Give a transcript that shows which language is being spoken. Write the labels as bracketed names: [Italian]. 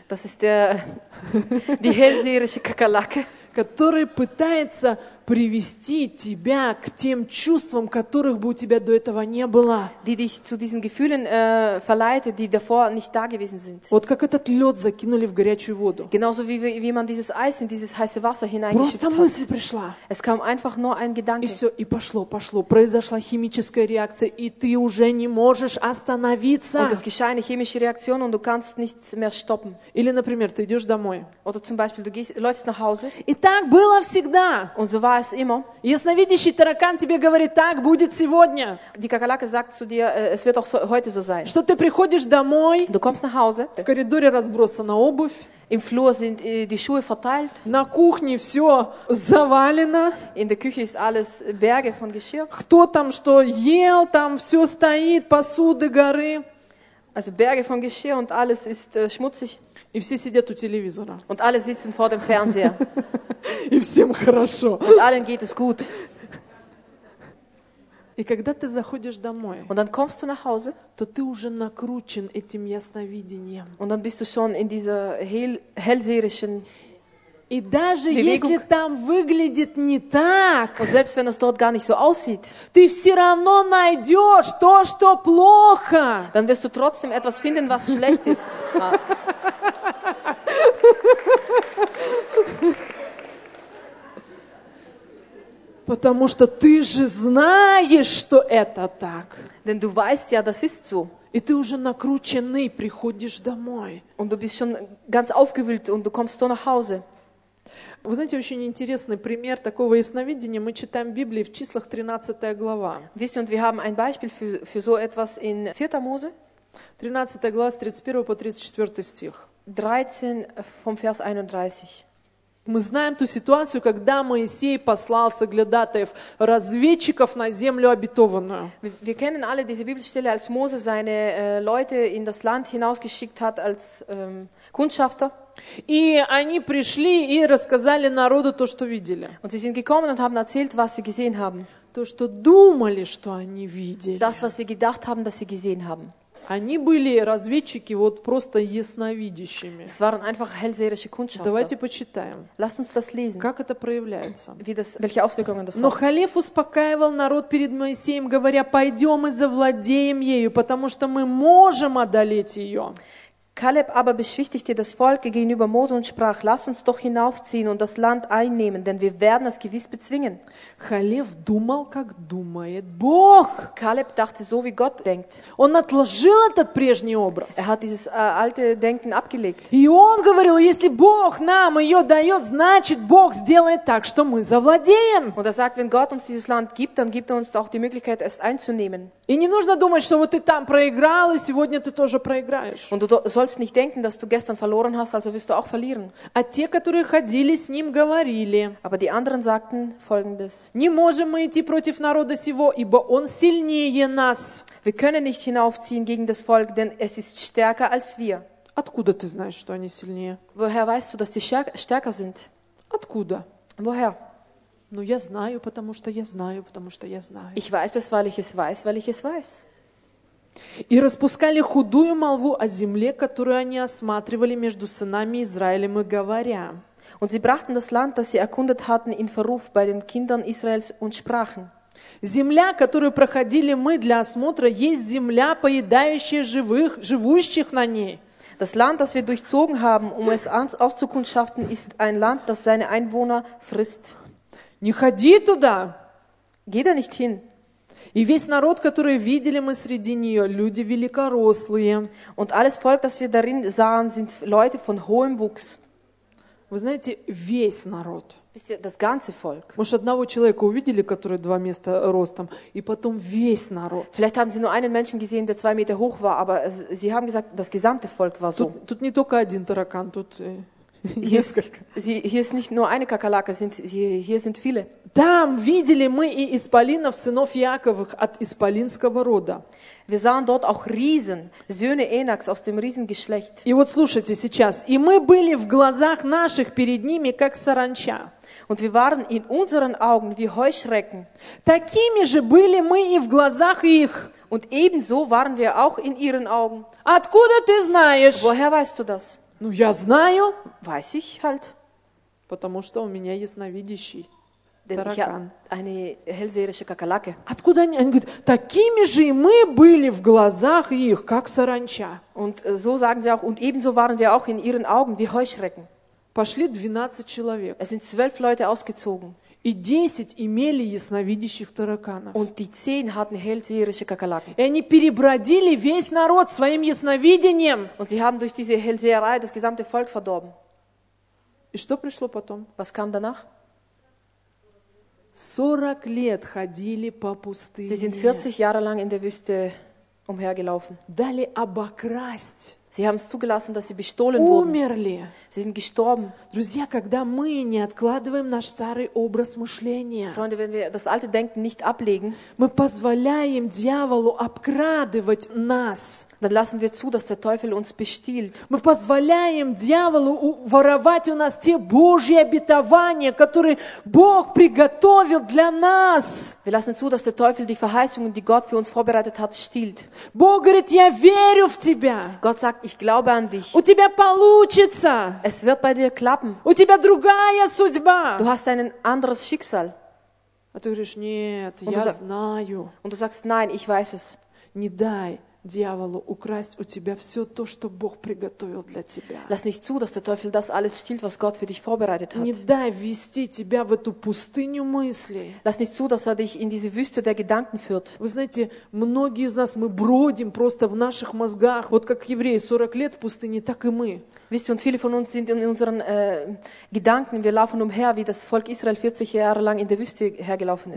[German] Das ist der die hellseherische Kakerlake. [Russian] Который пытается привести тебя к тем чувствам, которых бы у тебя до этого не было. [German] Die dich zu diesen Gefühlen verleitet, die davor nicht da gewesen sind. [Russian] Вот как этот лед закинули в горячую воду. [German] Genauso wie man dieses Eis in dieses heiße Wasser hineingeschüttet hat. [Russian] Просто мысль пришла. [German] Es kam einfach nur ein Gedanke. [Russian] И все, и пошло. Произошла химическая реакция, и ты уже не можешь остановиться. [German] Und es geschah eine chemische Reaktion und du kannst nichts mehr stoppen. [Russian] Или, например, ты идешь домой. [German] Oder zum Beispiel, du läufst nach Hause. [Russian] И так было всегда. [German] Und so war es immer. [Russian] Ясновидящий таракан тебе говорит: так будет сегодня. [German] Die Kakerlake sagt zu dir, es wird auch so, heute so sein. [Russian] Что ты приходишь домой. [German] Du kommst nach Hause. [Russian] В коридоре разбросана обувь. [German] Im Flur sind die Schuhe verteilt. [Russian] На кухне все завалено. [German] In der Küche ist alles Berge von Geschirr. [Russian] Кто там что ел, там все стоит, посуды горы. [German] Also Berge von Geschirr und alles ist schmutzig. [Russian] И все сидят у телевизора. [German] Und alle sitzen vor dem Fernseher. [Russian] И всем хорошо. [German] Und allen geht es gut. [Russian] И когда ты заходишь домой, [German] und dann kommst du nach Hause, [Russian] то ты уже накручен этим ясновидением. [German] Und dann bist du schon in dieser hellseherischen [Russian] И даже [German] Bewegung. [Russian] Если там выглядит не так, [German] und selbst wenn es dort gar nicht so aussieht, [Russian] ты все равно найдешь то, что плохо. [German] Dann wirst du trotzdem etwas finden, was schlecht ist. [Russian] Потому что ты же знаешь, что это так. [German] Denn du weißt ja, das ist so. [Russian] И ты уже накрученный приходишь домой. [German] Und du bist schon ganz aufgewühlt und du kommst so nach Hause. [Russian] Вы знаете, очень интересный пример такого ясновидения. Мы читаем в Библии в числах 13 глава. [German] Wisst ihr, und wir haben ein Beispiel für so etwas in 4. Mose. [Russian] 13 глава, 31 по 34 стих. [German] 13, vom Vers 31. [Russian] Мы знаем ту ситуацию, когда Моисей послал соглядатаев, разведчиков на землю обетованную. [German] Wir kennen alle diese Bibelstelle, als Mose seine Leute in das Land hinausgeschickt hat als Kundschafter. [Russian] И они пришли и рассказали народу то, что видели. [German] Und sie sind gekommen und haben erzählt, was sie gesehen haben. [Russian] То, что думали, что они видели. [German] Das, was sie gedacht haben, dass sie gesehen haben. [Russian] Они были разведчики вот просто ясновидящими. [German] Es waren einfach hellseherische Kundschafter. [Russian] Давайте почитаем. [German] Lasst uns das lesen. [Russian] Как это проявляется? [German] Wie das, welche Auswirkungen das [Russian] hat. Но Халев успокаивал народ перед Моисеем, говоря: «Пойдем и завладеем ею, потому что мы можем одолеть ее». [German] Kaleb aber beschwichtigte das Volk gegenüber Mose und sprach: Lass uns doch hinaufziehen und das Land einnehmen, denn wir werden es gewiss bezwingen. [Russian] Халев думал, как думает Бог. [German] Kaleb dachte so, wie Gott denkt. [Russian] Он отложил этот прежний образ. [German] Er hat dieses alte Denken abgelegt. [Russian] И он говорил: Если Бог нам ее дает, значит Бог сделает так, что мы завладеем. [German] Und er sagt, wenn Gott uns dieses Land gibt, dann gibt er uns auch die Möglichkeit, es einzunehmen. [Russian] И не нужно думать, что вот ты там проиграл, и сегодня ты тоже проиграешь. [German] Und du sollst nicht denken, dass du gestern verloren hast, also wirst du auch verlieren. [Russian] А те, которые ходили с ним, говорили. [German] Aber die anderen sagten Folgendes. [Russian] Не можем мы идти против народа сего, ибо он сильнее нас. [German] Wir können nicht hinaufziehen gegen das Volk, denn es ist stärker als wir. [Russian] Откуда ты знаешь, что они сильнее? [German] Woher weißt du, dass die stärker sind? [Russian] Откуда? [German] Woher? [Russian] Но я знаю, потому что я знаю, потому что я знаю. [German] Ich weiß das, weil ich es weiß, weil ich es weiß. [Russian] И распускали худую молву о земле, которую они осматривали между сынами Израилем, и говоря. [German] Und sie brachten das Land, das sie erkundet hatten, in Verruf bei den Kindern Israels und sprachen. [Russian] Земля, которую проходили мы для осмотра, есть земля, поедающая живых, живущих на ней. [German] Das Land, das wir durchzogen haben, um es auszukundschaften, ist ein Land, das seine Einwohner frisst. [Russian] Не ходи туда. [German] Geh da nicht hin. [Russian] И весь народ, который видели мы среди нее, люди великорослые. [German] Und alles Volk, das wir darin sahen, sind Leute von hohem Wuchs. [Russian] Вы знаете, весь народ. [German] Wisst ihr, das ganze Volk. [Russian] Может, одного человека увидели, который два места ростом, и потом весь народ. [German] Vielleicht haben sie nur einen Menschen gesehen, der zwei Meter hoch war, aber sie haben gesagt, das gesamte Volk war so. [Russian] Тут не только один таракан, тут... [German] Hier ist nicht nur eine Kakerlake, hier sind viele. [Russian] Там видели мы и исполинов, сынов Яковых от исполинского рода. [German] Wir sahen dort auch Riesen, Söhne Enaks aus dem Riesengeschlecht. [Russian] И вот слушайте сейчас. И мы были в глазах наших перед ними как саранча. [German] Und wir waren in unseren Augen wie Heuschrecken. [Russian] Такими же были мы и в глазах их. [German] Und ebenso waren wir auch in ihren Augen. [Russian] Откуда ты знаешь? [German] Woher weißt du das? [Russian] Ну, я знаю. [German] Weiß ich halt. [Russian] Потому что у меня ясновидящий [German] denn [Russian] таракан. [German] Ich eine hellseherische Kakerlake. [Russian] Откуда они? Они говорят, такими же и мы были в глазах их, как саранча. [German] Und so sagen sie auch, und ebenso waren wir auch in ihren Augen wie Heuschrecken. [Russian] Пошли 12 человек. [German] Es sind 12 Leute ausgezogen. [Russian] И 10 имели ясновидящих тараканов. [German] Und die 10 hatten hellseherische Kakerlaken. [Russian] И они перебродили весь народ своим ясновидением. [German] Und sie haben durch diese Hellseherei das gesamte Volk verdorben. [Russian] И что пришло потом? [German] Was kam danach? [Russian] 40 лет ходили по пустыне. [German] Sie sind 40 Jahre lang in der Wüste umhergelaufen. [Russian] Дали обокрасть. [German] Sie haben es zugelassen, dass sie bestohlen wurden. [Russian] Умерли. [German] Sie sind gestorben. [Russian] Друзья, когда мы не откладываем наш старый образ мышления, [German] Freunde, wenn wir das alte Denken nicht ablegen, [Russian] мы позволяем дьяволу обкрадывать нас. [German] Dann lassen wir zu, dass der Teufel uns bestiehlt. [Russian] Мы позволяем дьяволу воровать у нас те Божьи обетования, которые Бог приготовил для нас. [German] Wir lassen zu, dass der Teufel die Verheißungen, die Gott für uns vorbereitet hat, stiehlt. [Russian] Бог говорит, я верю в тебя. [German] Gott sagt, ich glaube an dich. [Russian] У тебя получится. [German] Es wird bei dir klappen. [Russian] У тебя другая судьба. [German] Du hast ein anderes Schicksal. [Russian] А ты говоришь, нет, я знаю. [German] Und du sagst, nein, ich weiß es. [Russian] Не дай Дьяволу украсть у тебя все то, что Бог приготовил для тебя. [German] Lass nicht zu, dass der Teufel das alles stiehlt, was Gott für dich vorbereitet hat. [Russian] Не дай вести тебя в эту пустыню мыслей. [German] Lass nicht zu, dass er dich in diese Wüste der Gedanken führt. [Russian] Вы знаете, многие из нас мы бродим просто в наших мозгах, вот как евреи 40 лет в пустыне, так и мы. [German] Wisst ihr, und viele von uns sind in unseren Gedanken, wir laufen umher, wie das Volk Israel 40 Jahre lang in der Wüste hergelaufen ist.